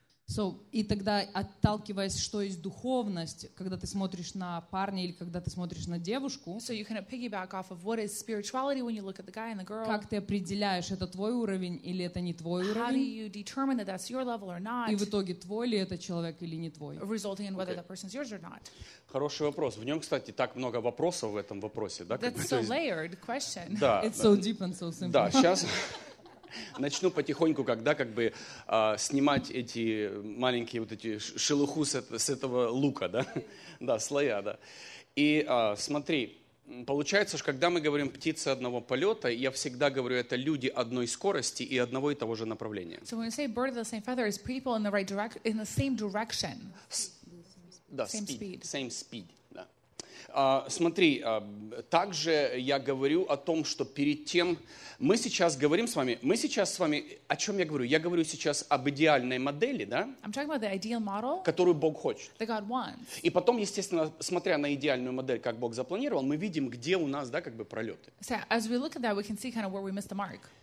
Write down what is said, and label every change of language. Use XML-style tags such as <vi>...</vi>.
<en>So,</en> <ru>и тогда, отталкиваясь, что есть духовность, когда ты смотришь на парня или когда ты смотришь на девушку,</ru> <en>so you kind of piggyback off of what is spirituality when you look at the guy and the girl.</en> <ru>Как ты определяешь, это твой уровень или это не твой уровень?</ru> <en>How do you determine that that's your level or not?</en> <ru>И в итоге, твой ли это человек или не твой?</ru> <en>Resulting in whether okay. that person's yours or not.</en> <ru>Хороший вопрос. В нем, кстати, так много вопросов в этом вопросе. Да,</ru> <en>that's so layered question.</en> <ru>Да,</ru> <en>it's so deep and so simple.</en> <ru>Да, сейчас... Начну потихоньку, когда как бы снимать эти маленькие вот эти шелуху с этого лука, да, да, слоя, да. И смотри, получается, что когда мы говорим птицы одного полета, я всегда говорю, это люди одной скорости и одного и того же направления.</ru> <en>So when you say bird of the same feather, it's people in the right direction, in the same direction.</en> <ru>Да,</ru> <en>speed. Same speed.</en> <ru>Да. Смотри, также я говорю о том, что перед тем мы сейчас говорим с вами, мы сейчас с вами, о чем я говорю? Я говорю сейчас об идеальной модели, да?</ru> <en>I'm talking about the ideal model,</en> <ru>которую Бог хочет.</ru> <en>That God wants.</en> <ru>И потом, естественно, смотря на идеальную модель, как Бог запланировал, мы видим, где у нас, да, как бы пролеты.</ru> <en>So as we look at that, we can see kind of where we missed the mark.</en>